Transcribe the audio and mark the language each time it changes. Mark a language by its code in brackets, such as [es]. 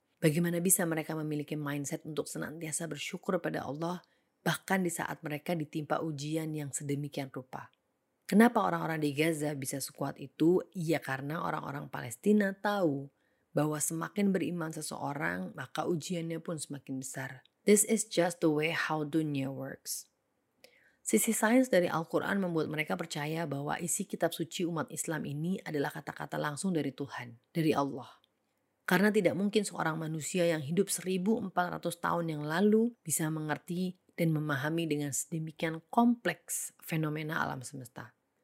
[id] Bagaimana bisa mereka memiliki mindset untuk senantiasa bersyukur pada Allah bahkan di saat mereka ditimpa ujian yang sedemikian rupa? Kenapa orang-orang di Gaza bisa sekuat itu? Ya karena orang-orang Palestina tahu bahwa semakin beriman seseorang, maka ujiannya pun semakin besar. [en] This is just the way how dunya works. [id] Sisi sains dari Al-Quran membuat mereka percaya bahwa isi kitab suci umat Islam ini adalah kata-kata langsung dari Tuhan, dari Allah. Karena tidak mungkin seorang manusia yang hidup 1400 tahun yang lalu bisa mengerti dan memahami dengan sedemikian kompleks fenomena alam semesta.